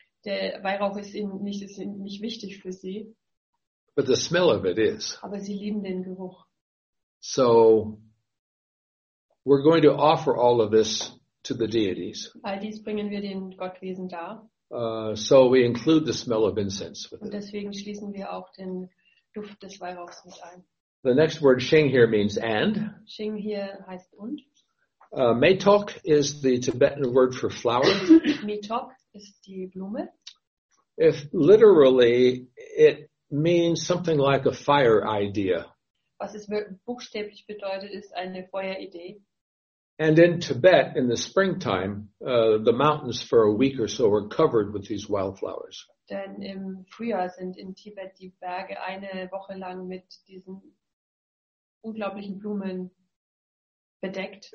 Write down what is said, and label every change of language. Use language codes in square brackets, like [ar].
[de] Der Weihrauch ist nicht wichtig für sie. [en] But the smell of it is. [de] Aber sie lieben den Geruch. [en] So we're going to offer all of this to the deities. [de] All dies bringen wir den Gottwesen dar. [en] So we include the smell of incense with it. [de] Und deswegen schließen wir auch den Duft des Weihrauchs mit ein. [en] The next word, Shing, here means and. [de] Shing [en] here [de] heißt und. [en] Metok is the Tibetan word for flower. [de] Metok ist die Blume. [en] If literally, it means something like a fire idea. [de] Was es buchstäblich bedeutet, ist eine Feueridee. [en] And in Tibet, in the springtime, the mountains for a week or so were covered with these wildflowers. [de] Denn im Frühjahr sind in Tibet die Berge eine Woche lang mit diesen unglaublichen Blumen bedeckt.